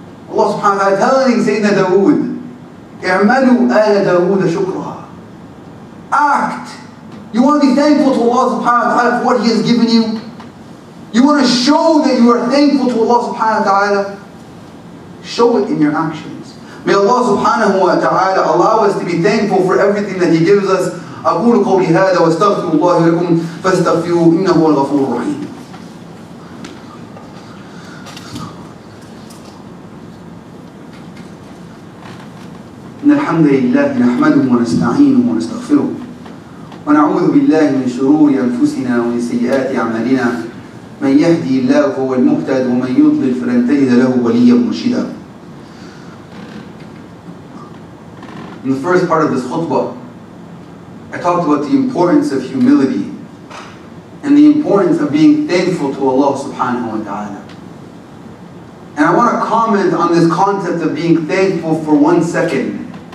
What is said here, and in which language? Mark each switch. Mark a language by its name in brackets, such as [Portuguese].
[English] Allah subhanahu wa ta'ala telling Sayyidina Dawood, [Arabic] اعملوا آل داود شكرا. [English] Act. You want to be thankful to Allah subhanahu wa ta'ala for what He has given you? You want to show that you are thankful to Allah subhanahu wa ta'ala? Show it in your actions. May Allah subhanahu wa ta'ala allow us to be thankful for everything that He gives us. [Arabic] أقول قولي هذا واستغفر الله لكم فاستغفروا إنه الغفور الرحيم. إن الحمد لله نحمده ونستعينه ونستغفره ونعوذ بالله من شرور أنفسنا ومن سيئات أعمالنا من يهدي الله فهو المهتد ومن يضلل فلن تجد له وليا مرشدا. [English] In the first part of this khutbah, I talked about the importance of humility and the importance of being thankful to Allah subhanahu wa ta'ala. And I want to comment on this concept of being thankful for one second.